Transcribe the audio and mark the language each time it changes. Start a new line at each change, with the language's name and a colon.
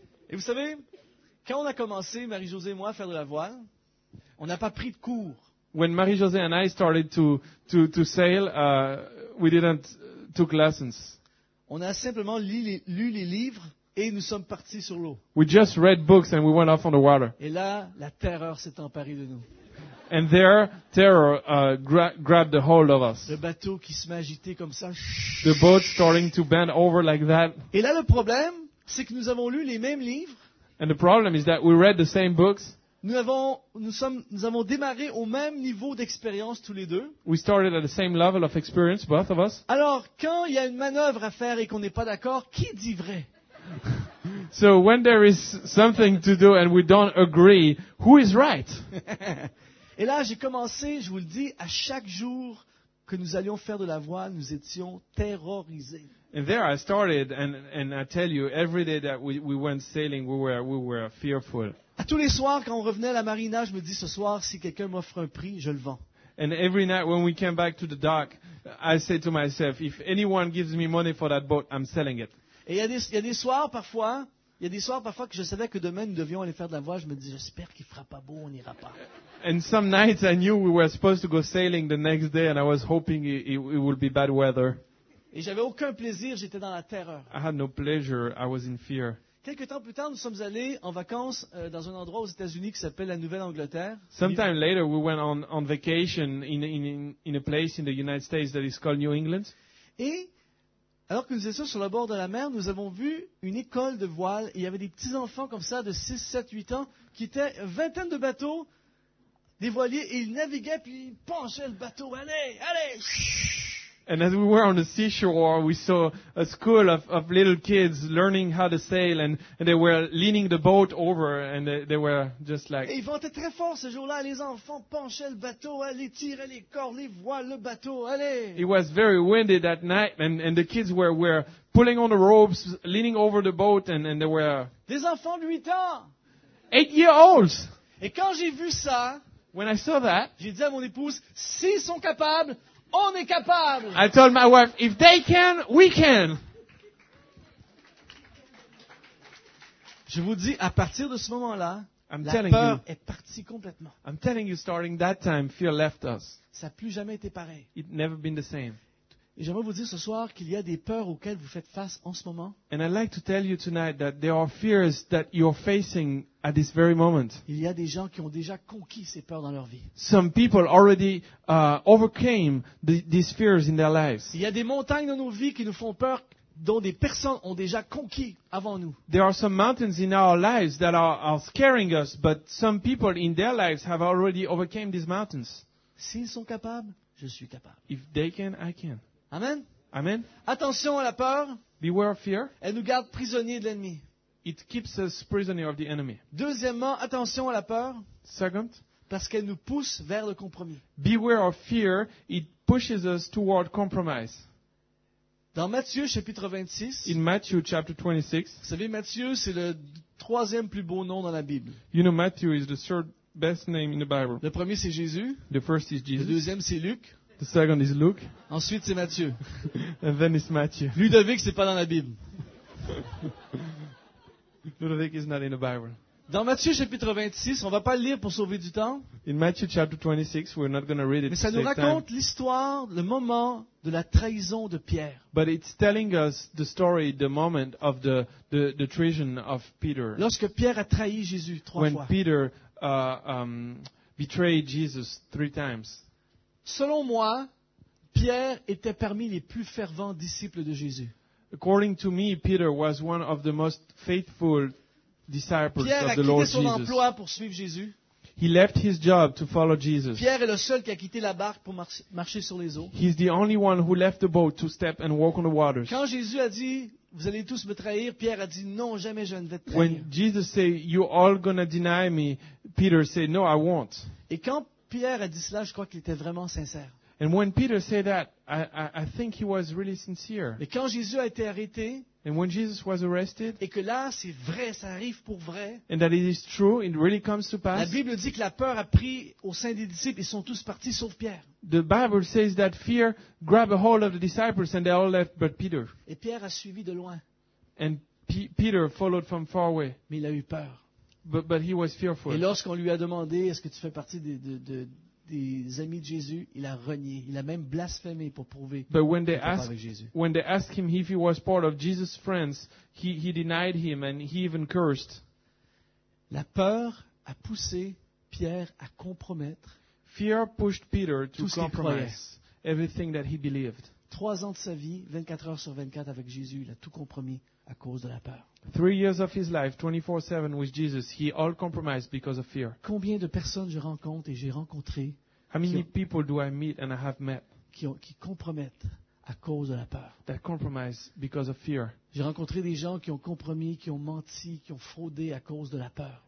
French: Et vous savez, quand on a commencé, Marie-Josée et moi, à faire de la voile, on n'a pas pris de cours.
English: When Marie-José and I started to sail, we didn't took lessons.
French: On a simplement lu les livres et nous sommes partis sur l'eau.
English: We just read books and we went off on the water.
French: Et là, la terreur s'est emparée de nous.
English: And there, terror grabbed the hold of us.
French: Le bateau qui se met à agiter comme ça.
English: The boat starting to bend over like that.
French: Et là, le problème, c'est que nous avons lu les mêmes livres.
English: And the problem is that we read the same books.
French: Nous avons démarré au même niveau d'expérience tous les deux.
English: We started at the same level of experience, both of us.
French: Alors, quand il y a une manœuvre à faire et qu'on n'est pas d'accord, qui dit vrai?
English: So when there is something to do and we don't agree, who is right?
French: Et là, j'ai commencé, je vous le dis, à chaque jour que nous allions faire de l'avoine, nous étions terrorisés.
English: And there I started, and I tell you, every day that we went sailing, we were fearful.
French: À tous les soirs, quand on revenait à la marina, je me dis, ce soir, si quelqu'un m'offre un prix, je le vends.
English: And every night when we came back to the dock, I said to myself, if anyone gives me money for that boat, I'm selling it.
French: Et il y a des soirs parfois que je savais que demain nous devions aller faire de la voie, je me dis, j'espère qu'il fera pas beau, on n'ira pas.
English: And some nights I knew we were supposed to go sailing the next day, and I was hoping it would be bad weather.
French: Et j'avais aucun plaisir, j'étais dans la terreur.
English: I had no pleasure, I was in fear.
French: Quelques temps plus tard, nous sommes allés en vacances dans un endroit aux États-Unis qui s'appelle la Nouvelle-Angleterre.
English: Sometime later, we went on vacation in a place in the United States that is called New England.
French: Et alors que nous étions sur le bord de la mer, nous avons vu une école de voile. Il y avait des petits enfants comme ça de 6, 7, 8 ans qui étaient une vingtaine de bateaux, des voiliers, et ils naviguaient puis ils penchaient le bateau. Allez, allez!
English: And as we were on the seashore, we saw a school of little kids learning how to sail, and they were leaning the boat over, and they were just like.
French: Et ils ventaient très fort ce jour-là. Les enfants penchaient le bateau, allez, tirez les cordes, les voiles, le bateau, allez.
English: It was very windy that night, and the kids were pulling on the ropes, leaning over the boat, and they were.
French: Des enfants de 8 ans.
English: 8-year-olds.
French: Et quand j'ai vu ça,
English: when I saw that,
French: j'ai dit à mon épouse, s'ils sont capables. On est capable.
English: I told my wife, if they can, we can.
French: Je vous dis, à partir de ce moment-là, est partie complètement.
English: I'm telling you, starting that time, fear left us.
French: Ça n'a plus jamais été pareil.
English: It never been the same.
French: Et j'aimerais vous dire ce soir qu'il y a des peurs auxquelles vous faites face en ce moment.
English: And I'd like to tell you tonight that there are fears that you're facing at this very moment.
French: Il y a des gens qui ont déjà conquis ces peurs dans leur vie.
English: Some people already overcame these fears in their lives.
French: Il y a des montagnes dans nos vies qui nous font peur, dont des personnes ont déjà conquis avant nous.
English: There are some mountains in our lives that are scaring us, but some people in their lives have already overcame these mountains.
French: S'ils sont capables, je suis capable.
English: If they can, I can.
French: Amen.
English: Amen.
French: Attention à la peur.
English: Beware of fear.
French: Elle nous garde prisonniers de l'ennemi.
English: It keeps us prisoner of the enemy.
French: Deuxièmement, attention à la peur.
English: Second.
French: Parce qu'elle nous pousse vers le compromis.
English: Beware of fear. It pushes us toward compromise.
French: Dans Matthieu chapitre 26.
English: In Matthew chapter 26.
French: Vous savez, Matthieu, c'est le troisième plus beau nom dans la Bible.
English: You know, Matthew is the third best name in the Bible.
French: Le premier, c'est Jésus.
English: The first is Jesus.
French: Le deuxième, c'est Luc.
English: The second is Luke.
French: Ensuite, c'est Matthieu.
English: And then it's Matthew.
French: Ludovic, c'est pas dans la Bible.
English: Ludovic is not in the Bible.
French: Dans Matthieu chapitre 26, on va pas le lire pour sauver du temps.
English: In Matthew chapter 26, we're not going to read it.
French: Mais ça nous raconte l'histoire, le moment de la trahison de Pierre.
English: But it's telling us the story, the moment of the treason of Peter.
French: Lorsque Pierre a trahi Jésus trois
English: when
French: fois.
English: When Peter betrayed Jesus three times.
French: Selon moi, Pierre était parmi les plus fervents disciples de Jésus.
English: According to me, Peter was one of the most faithful disciples
French: Pierre
English: of the Lord Jesus.
French: Pierre a quitté son emploi pour suivre Jésus.
English: He left his job to follow Jesus.
French: Pierre est le seul qui a quitté la barque pour marcher sur les eaux.
English: He's the only one who left the boat to step and walk on the waters.
French: Quand Jésus a dit, vous allez tous me trahir, Pierre a dit, non, jamais je ne vais te trahir.
English: When Jesus said, you're all gonna deny me, Peter said, no, I won't.
French: Et quand Pierre a dit cela, je crois qu'il était vraiment sincère.
English: And when Peter said that, I think he was really sincere.
French: Mais quand Jésus a été arrêté,
English: and when Jesus was arrested,
French: et que là, c'est vrai, ça arrive pour vrai,
English: and that it is true, it really comes to pass.
French: La Bible dit que la peur a pris au sein des disciples, ils sont tous partis sauf Pierre.
English: The Bible says that fear grabbed a hold of the disciples and they all left but Peter.
French: Et Pierre a suivi de loin.
English: And Peter followed from far away.
French: Mais il a eu peur.
English: But he was fearful.
French: Et lorsqu'on lui a demandé, est-ce que tu fais partie des amis de Jésus, il a renié, il a même blasphémé pour prouver qu'il était pas avec Jésus.
English: When they asked him if he was part of Jesus' friends, he denied him and he even cursed.
French: La peur a poussé Pierre à compromettre.
English: Fear pushed Peter to
French: tout ce
English: compromise everything that he believed.
French: 3 ans de sa vie, 24 heures sur 24 avec Jésus, il a tout compromis à cause de la peur.
English: 3 years of his life, 24/7 with Jesus, he all compromised because of fear.
French: Combien de personnes je rencontre et j'ai rencontré
English: how many people do I meet and I have met
French: qui compromettent à cause de la peur.
English: That compromise because of fear.
French: J'ai rencontré des gens qui ont compromis, qui ont menti, qui ont fraudé à cause de la peur.